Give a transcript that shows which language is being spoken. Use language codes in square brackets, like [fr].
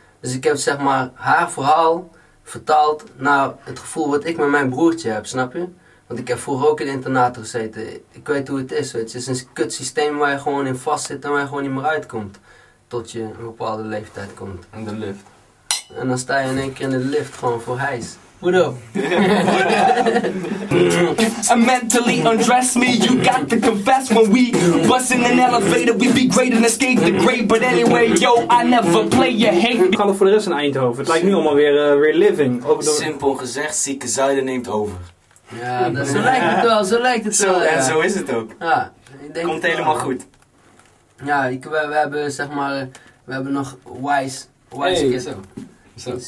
[nl] Dus ik heb, zeg maar, haar verhaal vertaald naar het gevoel wat ik met mijn broertje heb, snap je? Want ik heb vroeger ook in het internaat gezeten. Ik weet hoe het is, weet je. Het is een kut systeem waar je gewoon in vast zit en waar je gewoon niet meer uitkomt. Tot je een bepaalde leeftijd komt. En de lift. En dan sta je in één keer in de lift gewoon voor hijs. [en] What up? Mentally undress me, you got to confess. When we bust in an elevator, we be great and escape the grave. But anyway, yo, I never play your hate. [nl] We gaan er voor de rest in Eindhoven. Het lijkt nu allemaal weer living. Simpel gezegd, zieke zuiden neemt over. Ja, zo lijkt het wel, zo lijkt het wel. En zo is het ook. Ja, ik denk komt helemaal goed. Ja, we hebben, zeg maar, we hebben nog Wise Kids.